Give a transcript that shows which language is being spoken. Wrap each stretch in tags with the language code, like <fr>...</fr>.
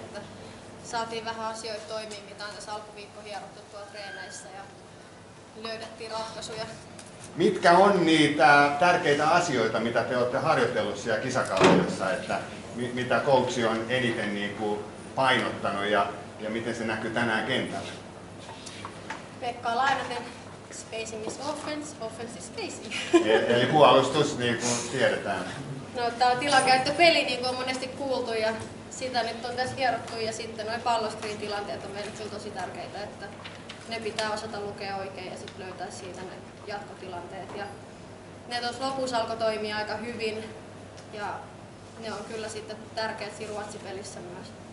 <fi>Että saatiin vähän asioita toimii, mitä on tässä alkuviikko hierottu tuolla treeneissä ja löydettiin ratkaisuja. Mitkä on niitä tärkeitä asioita, mitä te olette harjoitellut siellä kisakaudessa, että mitä coachi on eniten niin kuin painottanut ja miten se näkyy tänään kentällä?</fi> <en>Pekka</en> <fi>Lainaten,</fi> <en>spacing is offense, offense is spacing.</en> <fi>Eli puolustus, niin kuin tiedetään. No, tämä on tilakäyttöpeli, niin kuin on monesti kuultu. Ja sitä nyt on tässä hierottu ja sitten noin pallostriin tilanteet on meille kyllä tosi tärkeitä, että ne pitää osata lukea oikein ja sitten löytää siitä ne jatkotilanteet. Ja ne tuossa lopussa alkoi toimia aika hyvin ja ne on kyllä sitten tärkeät siinä Ruotsi-pelissä myös.</fi>